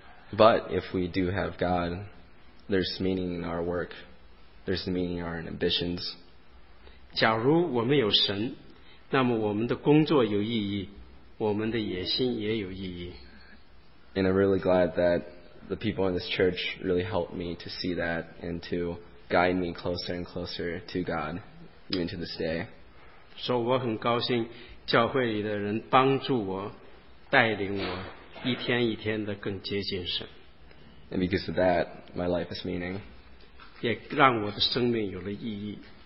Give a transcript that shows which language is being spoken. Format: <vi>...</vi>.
<en>But if we do have God,there's meaning in our work. There's meaning in our ambitions.</en> <zh>假如我们有神，那么我们的工作有意义，我们的野心也有意义。</zh> <en>And I'm really glad that the people in this church really helped me to see that and to guide me closer and closer to God, even to this day.</en> <zh>So 我很高兴教会里的人帮助我，带领我，一天一天的更接近神。</zh> <en>And because of that, my life has meaning.</en> <zh>也让我的生命有了意义。</zh>